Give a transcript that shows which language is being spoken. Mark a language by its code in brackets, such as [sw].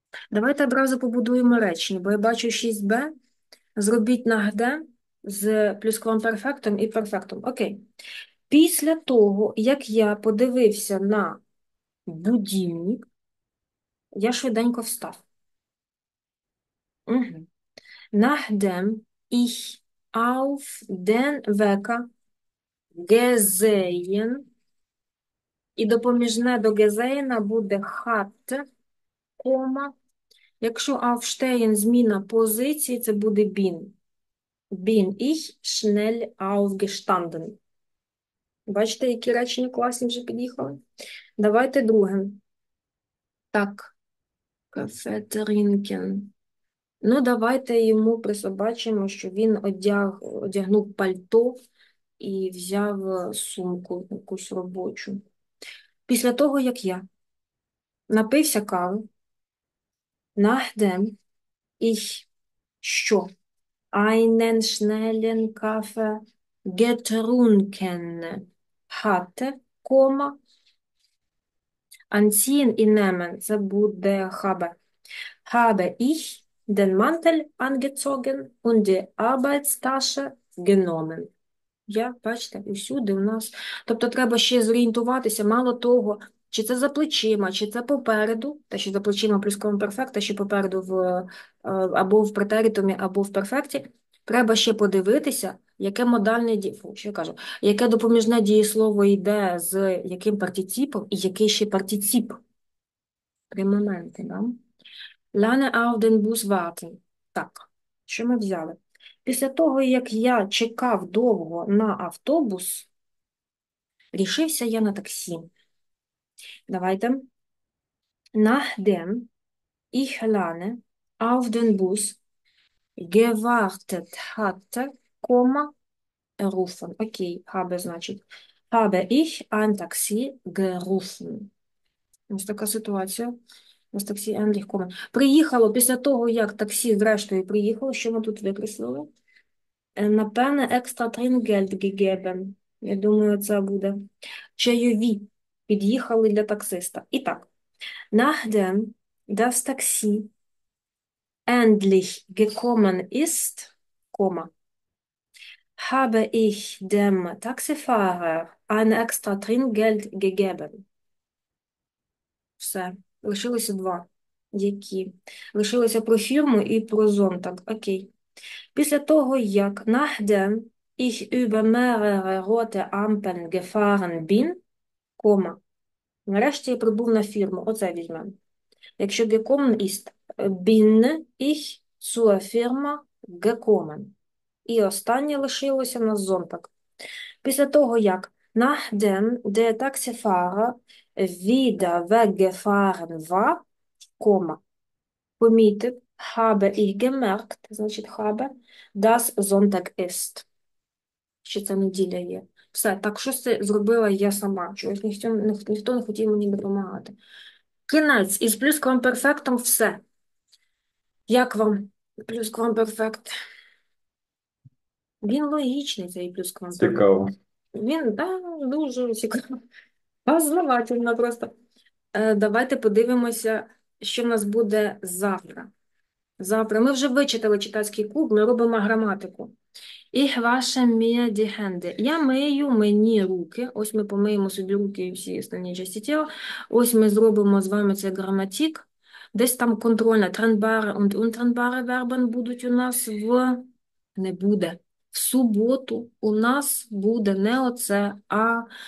[uk] Давайте одразу побудуємо речення, бо я бачу 6b. Зробіть нахде з плюсквамперфектом і перфектом. Окей. Після того, як я подивився на будильник, я швиденько встав. [de] Nachdem ich auf den Wecker gesehen. [uk] І допоміжне до gesehen буде hat, кома. Якщо aufstehen зміна позиції, це буде bin. [de] Bin ich schnell aufgestanden. [uk] Бачите, які речення класні вже під'їхали? Давайте друге. Так. Кафетерінкен. Ну, давайте йому присобачимо, що він одягнув пальто і взяв сумку якусь робочу. Після того, як я напився кави, [de] nachdem ich [uk] що? [de] Einen schnellen Kaffee getrunken hatte, кома, anziehen і nehmen, [uk] це буде [de] habe. Habe ich den Mantel angezogen und die Arbeitstasche genommen. [uk] Я, бачите, усюди у нас. Тобто треба ще зорієнтуватися, мало того, чи це за плечима, чи це попереду, та що за плечима плюс комперфект, та що попереду або в претеритумі, або в перфекті. Треба ще подивитися, яке модальне дієслово, що я кажу, яке допоміжне дієслово йде з яким партіципом і який ще партіціп. При моменті, да? [de] Lange auf den Bus warten. [uk] Так, що ми взяли? Після того, як я чекав довго на автобус, рішився я на таксі. Давайте. [de] Nachdem ich lange auf den Bus gewartet hatte, Komma rufen. Okay, habe, [ru] значит, [de] habe ich ein Taxi gerufen. [uk] Ось така ситуація. Ось таксі легко. Приїхало після того, як таксі, зрештою, приїхало, що ми тут викреслили? Напевне, [de] extra Trinkgeld gegeben. [uk] Я думаю, це буде. Чайові під'їхали для таксиста. І так. [de] Nachdem das Taxi endlich gekommen ist, Komma, habe ich dem Taxifahrer ein extra Trinkgeld gegeben. [uk] Все. Лишилося два. Які? Лишилося про фірму і про зонтак. Окей. Після того, як [de] nachdem ich über mehrere rote Ampeln gefahren bin, Komma, [uk] нарешті я прибув на фірму. Оце візьмемо. Якщо [de] gekommen ist, bin ich zur Firma gekommen. [uk] І останнє лишилося на зонтак. Після того, як [de] nachdem der Taxifahrer wieder weggefahren war, Komma, [uk] помітив, [de] habe ich gemerkt, [uk] значить, [de] habe, dass Sonntag ist. [uk] Що це неділя є. Все, так що це зробила я сама? Чогось ніхто не хотів мені допомагати. Кінець із плюсковим перфектом все. Як вам плюсковим перфект? Він логічний, цей плюсковим перфект. Цікаво. Він, так, дуже цікаво. Познавательно просто. Давайте подивимося, що в нас буде завтра. Завтра ми вже вичитали читацький куб, ми робимо граматику. [de] Ich wasche mir die Hände. [uk] Я мию мені руки. Ось ми помиємо собі руки і всі останні часті тіла. Ось ми зробимо з вами цей граматик. Десь там контрольна, тренбари [de] und untrennbare Verben [uk] будуть у нас в... Не буде. В суботу у нас буде не оце, а...